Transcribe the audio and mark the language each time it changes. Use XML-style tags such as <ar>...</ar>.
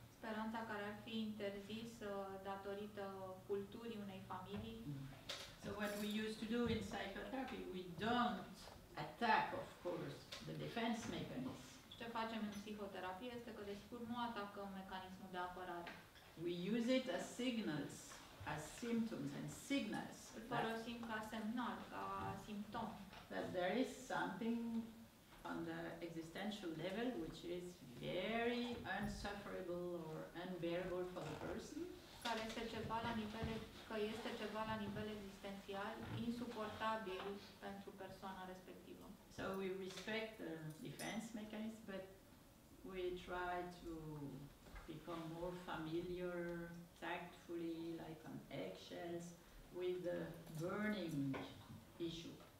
<ro>Speranța care ar fi interzisă datorită culturii unei familii.</ro> <en>So what we used to do in psychotherapy, we don't attack, of course, the defense mechanism.</en> <ro>Ce facem în psihoterapie este că, desigur, nu atacăm mecanismul de apărare.</ro> <en>We use it as signals, as symptoms and signals.</en> <ro>Îl folosim ca semnal, ca simptom.</ro> <en>That there is something on the existential level which is very unsufferable or unbearable for the person.</en> <ro>Care este ceva la nivel, că este ceva la nivel existențial insuportabil pentru persoana respectivă.</ro> <en>So we respect the defense mechanism, but we try to become more familiar, tactfully, like on eggshells, with the burning issue.</en>